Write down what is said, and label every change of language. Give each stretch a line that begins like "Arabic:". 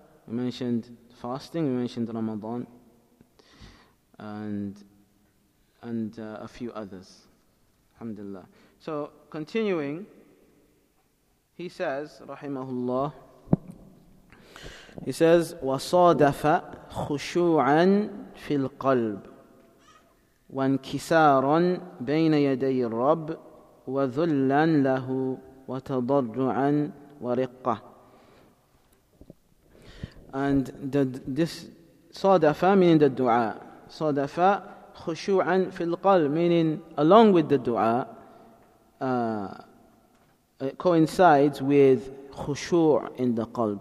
English: We mentioned fasting. We mentioned Ramadan, and a few others. Alhamdulillah. So continuing, he says,
Arabic: rahimahullah, he says, وَصَادَفَ خُشُوعًا فِي الْقَلْبِ وَانْكِسَارًا بَيْنَ يَدَيِ الرَّبِّ وَذُلًّا لَهُ وَتَضَرُّعًا وَرِقَّةً.
English: And this صَادَفَ, meaning the dua,
Arabic: صَادَفَ خُشُوعًا فِي الْقَلْبِ,
English: meaning along with the dua, it coincides with خُشُوع in the qalb.